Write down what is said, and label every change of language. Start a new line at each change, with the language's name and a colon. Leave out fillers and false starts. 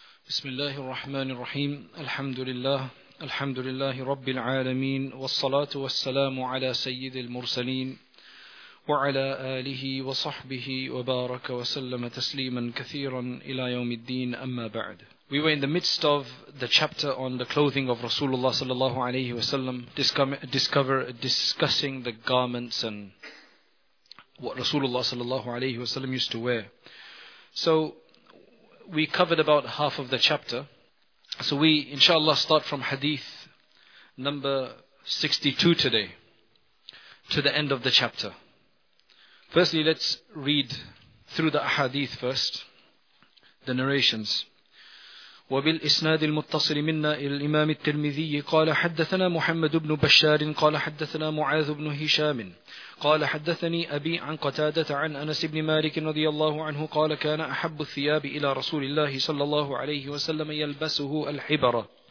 Arabic: بسم الله الرحمن الرحيم الحمد لله الحمد لله رب العالمين والصلاة والسلام على سيد المرسلين وعلى آله وصحبه وبارك وسلم تسليما كثيرا إلى يوم الدين أما بعد.
English: We were in the midst of the chapter on the clothing of Rasulullah sallallahu alayhi wa sallam, discussing the garments and what Rasulullah sallallahu alayhi wa sallam used to wear. So we covered about half of the chapter. So we, inshallah, start from hadith number 62 today to the end of the chapter. Firstly, let's read through the ahadith first, the narrations.
Arabic: وبال إسناد المتصل منا إلى الإمام الترمذي قال حدثنا محمد بن بشار قال حدثنا معاذ بن هشام قال حدثني أبي عن قتادة عن أنس بن مالك رضي الله عنه قال كان أحب الثياب إلى رسول الله صلى الله عليه وسلم يلبسه الحبرة.